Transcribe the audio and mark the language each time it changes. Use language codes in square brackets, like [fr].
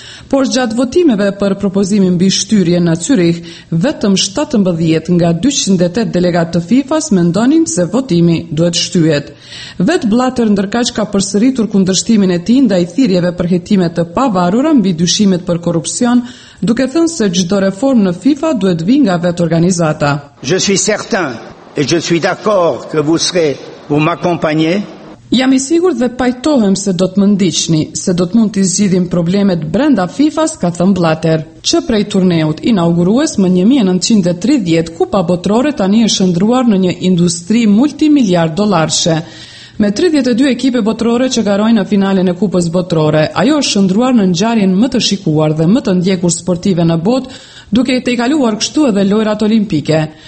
[sq] Por gjatë votimeve për propozimin mbi shtyrje në Zyrih, vetëm 17 nga 208 delegatë të FIFA-s mendonin se votimi duhet shtyhet. Vet Blatter ndërkaq ka përsëritur kundërshtimin e tij ndaj thirrjeve për hetime të pavarura mbi dyshimet për korrupsion, duke thënë se çdo reformë në FIFA duhet vi nga vet organizata. [fr] Je suis certain et je suis d'accord que vous serez pour m'accompagner. [sq] Jam i sigur dhe pajtohem se do të më ndiqni, se do të mund të zgjidhim problemet brenda FIFA-s, ka thënë Blatter. Që prej turneut inaugurues më 1930, Kupa Botërore tani është shëndruar në një industri multimiliard dollarshe. Me 32 ekipe botërore që garojnë në finalen e Kupës Botërore, ajo është shëndruar në ngjarjen më të shikuar dhe më të ndjekur sportive në botë, duke i tejkaluar kështu edhe lojrat olimpike.